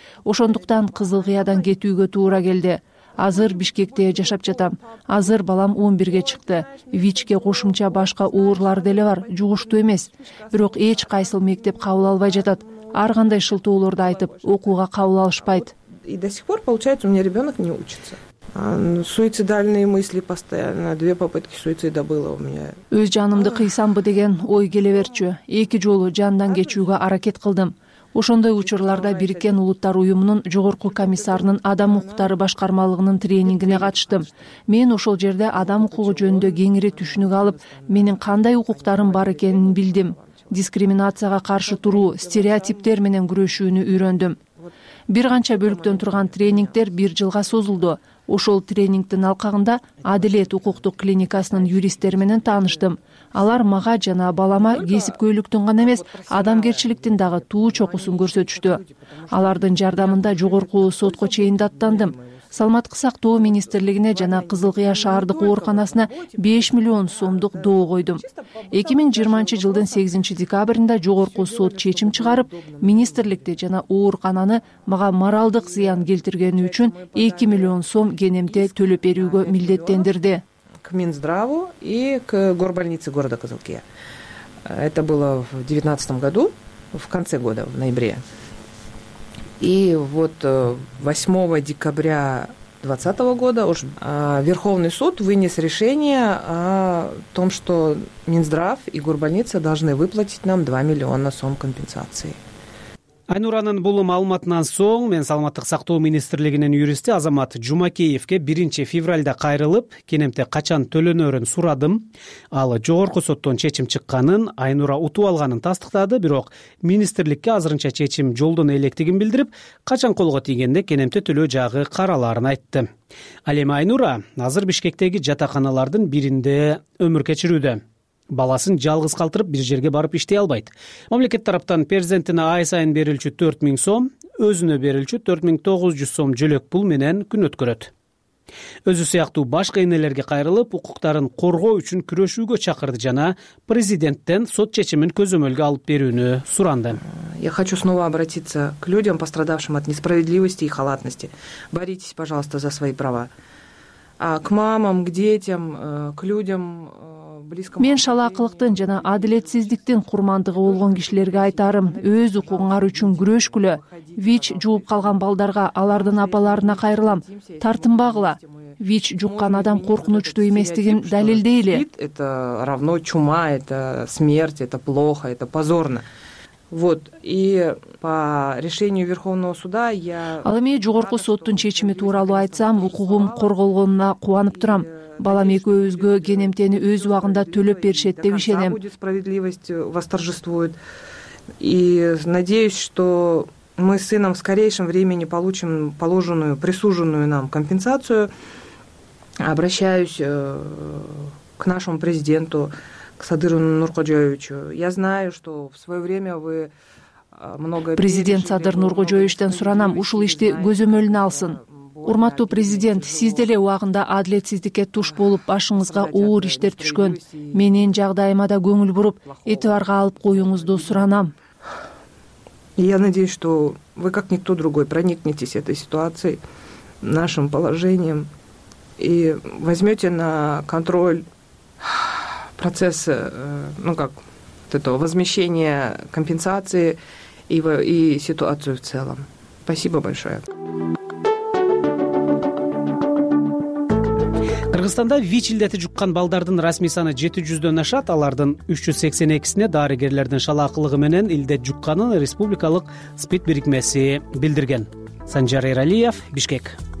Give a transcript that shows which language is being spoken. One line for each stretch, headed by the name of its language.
Kyrgyz: Ошондуктан Кызыл Кыядан кетүүгө туура келди. Азыр Бишкекте жашап жатам. Азыр балам 11-ге чыкты. ВИЧке кошумча башка оорулар деле бар, жугуштуу эмес. Бирок эч кайсыл мектеп кабыл албай жатат. Ар кандай шылтоолорду айтып, окууга кабыл алышпайт.
Russian: И до сих пор получается, у меня ребёнок не учится. Суицидальные мысли постоянно. Две попытки суицида было у меня.
Kyrgyz: Өз жанымды кыйсамбы деген ой келе берчү. Эки жолу жандан кечүүгө аракет кылдым. Ошондой учурларда Бириккен Улуттар Уюмунун Жогорку комиссарынын адам укуктары башкармалыгынын тренингине катыштым. Мен ошол жерде адам укугу жөнүндө кеңири түшүнүк алып, менин кандай укуктарым бар экенин билдим. Дискриминацияга каршы туруу, стереотиптер менен күрөшүүнү үйрөндүм. Бир канча бөлүктөн турган тренингдер бир жылга созулду. Ошол тренингтин алкагында Аделет укуктук клиникасынын юристтери менен тааныштым. Алар мага жана балама кесипкөйлүктүн гана эмес, адамгерчиликтин дагы туу чокусун көрсөтүштү. Алардын жардамында жогорку сотко чейин даттандым. Салмат Кысактоо министрлигине жана Кызыл Кыя шаардык ооруканасына 5 миллион сомдук доо койдум. 2020 жылдын 8 декабрында жогорку сот чечим чыгарып, министрликте жана оорукананы мага моралдык зыян келтиргени үчүн 2 миллион сом кенемде төлөп берүүгө милдеттендирди.
Russian: К Минздраву и к горбольнице города Кызыл Кыя. Это было в 2019 году, в конце года, в ноябре. И вот 8 декабря 2020 года уже Верховный суд вынес решение о том, что Минздрав и горбольница должны выплатить нам 2 миллиона сом компенсации.
Kyrgyz: Айнуранын бул маалыматынан соң мен саламаттык сактоо министрлигинин юристи Азамат Жумакеевке 1 февралда кайрылып, кенемте качан төлөнөрүн сурадым. Ал жогорку соттон чечим чыкканын, Айнура утуп алганын тастыктады, бирок министрликке азырынча чечим жолдон электигин билдирип, качан колго тийгенде кенемте төлөө жагы караларын айтты. Ал эми Айнура азыр Бишкектеги жатаканалардын биринде өмүр кечирүүдө. Баласын жалгыз калтырып бир жерге барып иштей албайт. Мамлекет тараптан перзентине ай сайын берилчү 4000 сом, өзүнө берилчү 4900 сом жөлөк пул менен күн өткөрөт. Өзү сыяктуу башка энелерге кайрылып, укуктарын коргоо үчүн күрөшүүгө чакырды жана президенттен сот чечимин көзөмөлгө алып берүүнү суранды.
Russian: Я хочу снова обратиться к людям, пострадавшим от несправедливости и халатности. Боритесь, пожалуйста, за свои права. А к мамам, к детям, к людям
Kyrgyz: Мен шалаакылыктын жана адилетсиздиктин курмандыгы болгон кишилерге айтарым, өз укугуңар үчүн күрөшкүлө. ВИЧ жугуп калган балдарга, алардын апаларына кайрылам. Тартынбагыла. ВИЧ жуккан адам коркунучтуу эместигин далилдейли.
Russian: Это равно чума, это смерть, это плохо, это позорно. Вот. И по решению Верховного суда я
Kyrgyz: Ал эми жогорку соттун чечими тууралуу айтсам, укугум корголгонуна кубанып турам. Балам экөөбүзгө кенемтени өз убагында төлөп беришет деп ишенем.
Russian: Справедливость восторжествует. И надеюсь, что мы с сыном в скорейшем времени получим положенную, присуженную нам компенсацию. Обращаюсь к нашему президенту, к Садыру Нуркожоевичу. Я знаю, что в свое время вы много
Kyrgyz: Президент Садыр Нуркожоевичтен суранам, ушул ишти көзөмөлүнө алсын. Урматтуу президент, сиз деле убагында адилетсиздикке туш болуп, башыңызга оор иштер түшкөн. Менин жагдайыма да көңүл буруп, этибарга алып коюңузду суранам.
Russian: Я надеюсь, что вы, как никто другой, проникнетесь этой ситуацией, нашим положением, и возьмете на контроль процесс, ну как, вот этого возмещения компенсации и ситуацию в целом. Спасибо большое.
Kyrgyz: Кыргызстанда ВИЧ илдети жуккан балдардын расмий саны 700 ашат, алардын 382 дарыгерлердин шалаакылыгы менен илдет жукканын республикалык СПИД бирикмеси билдирген. Санжар Эралиев, Бишкек.